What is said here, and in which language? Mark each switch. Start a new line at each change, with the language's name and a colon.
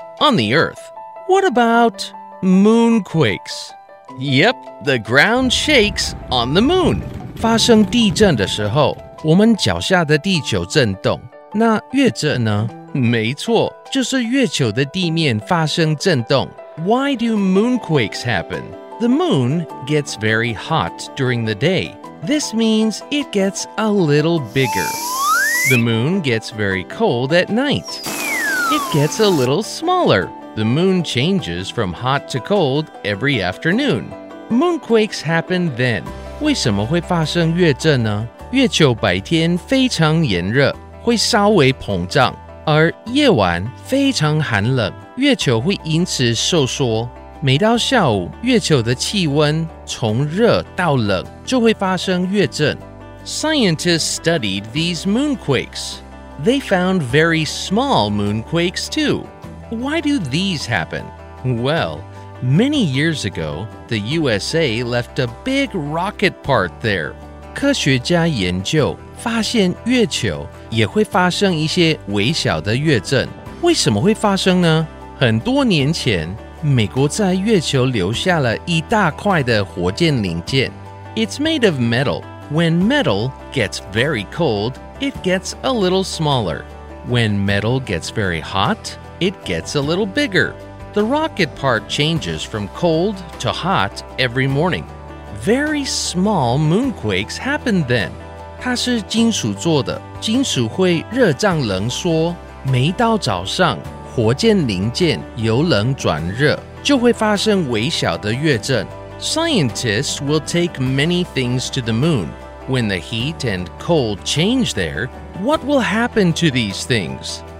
English: On the Earth, what about moonquakes? Yep, the ground shakes on the moon.
Chinese: 发生地震的时候，我们脚下的地球震动。那月震呢？没错，就是月球的地面发生震动。
English: Why do moonquakes happen? The moon gets very hot during the day. This means it gets a little bigger. The moon gets very cold at night. It gets a little smaller. The moon changes from hot to cold every afternoon. Moonquakes happen then.
Chinese: 为什么会发生月震呢？月球白天非常炎热，会稍微膨胀。而夜晚非常寒冷，月球会因此收缩。每到下午，月球的气温从热到冷，就会发生月震。
English: Scientists studied these moonquakes. They found very small moonquakes too. Why do these happen? Well, many years ago, the USA left a big rocket part there.
Chinese: 科学家研究发现月球也会发生一些微小的月震，为什么会发生呢？很多年前，美国在月球留下了一大块的火箭零件。
English: It's made of metal. When metal gets very cold, it gets a little smaller. When metal gets very hot, it gets a little bigger. The rocket part changes from cold to hot every morning. Very small moonquakes happen then.
Chinese: 它是金属做的，金属会热胀冷缩。每到早上，火箭零件由冷转热，就会发生微小的月震。
English: Scientists will take many things to the moon. When the heat and cold change there, what will happen to these things?